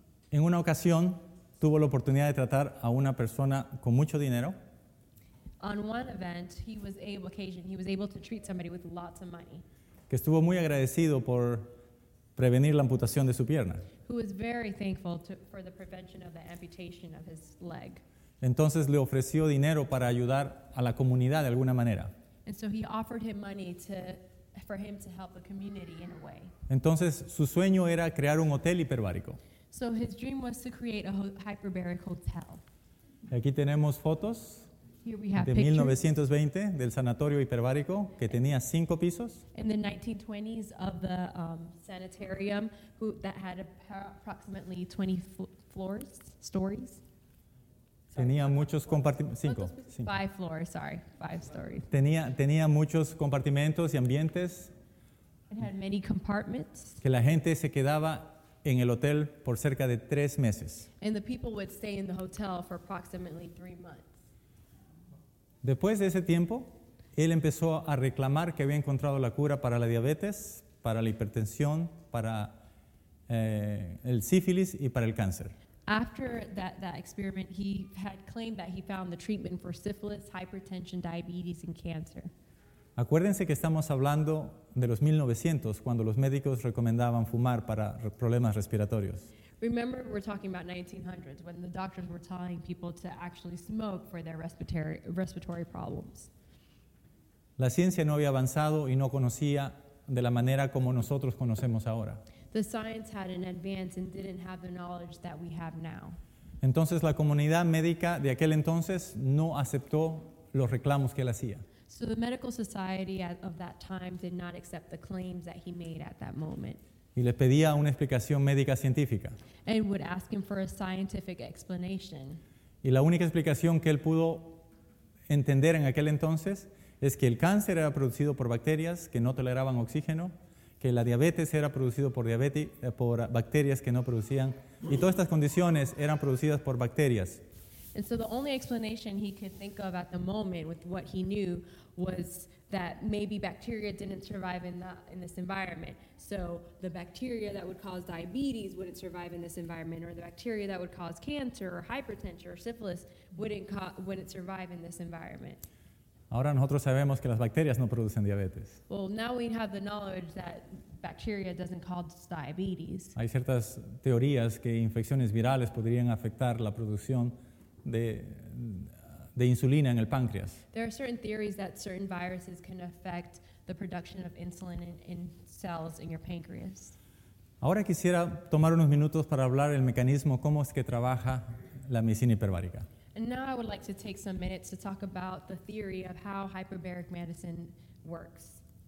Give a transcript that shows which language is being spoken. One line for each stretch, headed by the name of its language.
Spanish: En una ocasión tuvo la oportunidad de tratar a una persona con mucho dinero.
English: On one event, he was able to treat somebody with lots of money.
Spanish: Que estuvo muy agradecido por prevenir la amputación de su pierna.
English: Who was very thankful for the prevention of the amputation of his leg.
Spanish: Entonces le ofreció dinero para ayudar a la comunidad de alguna manera.
English: And so he offered him money for him to help the community in a way.
Spanish: Entonces su sueño era crear un hotel hiperbárico.
English: So his dream was to create a hyperbaric hotel.
Spanish: Aquí tenemos fotos de 1920 del sanatorio hiperbárico que tenía 5 pisos.
English: In the 1920s of the sanitarium that had approximately 20 floors, stories.
Spanish: Tenía muchos compartimentos.
English: 5 floors, sorry, 5 stories.
Spanish: Tenía muchos compartimentos y ambientes.
English: It had many compartments.
Spanish: Que la gente se quedaba en el hotel por cerca de 3 meses.
English: And the people would stay in the hotel for approximately 3 months.
Spanish: Después de ese tiempo, él empezó a reclamar que había encontrado la cura para la diabetes, para la hipertensión, para el sífilis y para el cáncer.
English: After that experiment, he had claimed that he found the treatment for syphilis, hypertension, diabetes and cancer.
Spanish: Acuérdense que estamos hablando de los 1900, cuando los médicos recomendaban fumar para problemas respiratorios.
English: Remember, we're talking about 1900s, when the doctors were telling people to actually smoke for their respiratory problems.
Spanish: La ciencia no había avanzado y no conocía de la manera como nosotros conocemos ahora.
English: The science hadn't advanced and didn't have the knowledge that we have now.
Spanish: Entonces, la comunidad médica de aquel entonces no aceptó los reclamos que él hacía.
English: So the medical society of that time did not accept the claims that he made at that moment.
Spanish: Y le pedía una explicación médica científica.
English: And would ask him for a scientific explanation.
Spanish: Y la única explicación que él pudo entender en aquel entonces es que el cáncer era producido por bacterias que no toleraban oxígeno, que la diabetes era producido por bacterias que no producían, y todas estas condiciones eran producidas por bacterias.
English: And so the only explanation he could think of at the moment with what he knew was that maybe bacteria didn't survive in this environment. So the bacteria that would cause diabetes wouldn't survive in this environment, or the bacteria that would cause cancer or hypertension or syphilis wouldn't survive in this environment.
Spanish: Ahora nosotros sabemos que las bacterias no producen diabetes.
English: Well, now we have the knowledge that bacteria doesn't cause diabetes.
Spanish: Hay ciertas teorías que infecciones virales podrían afectar la producción de insulina en el páncreas.
English: There are certain theories that certain viruses can affect the production of insulin in cells in your pancreas.
Spanish: Ahora quisiera tomar unos minutos para hablar el mecanismo cómo es que trabaja la medicina hiperbárica.
English: And now I would like to take some minutes to talk about the theory of how hyperbaric medicine works.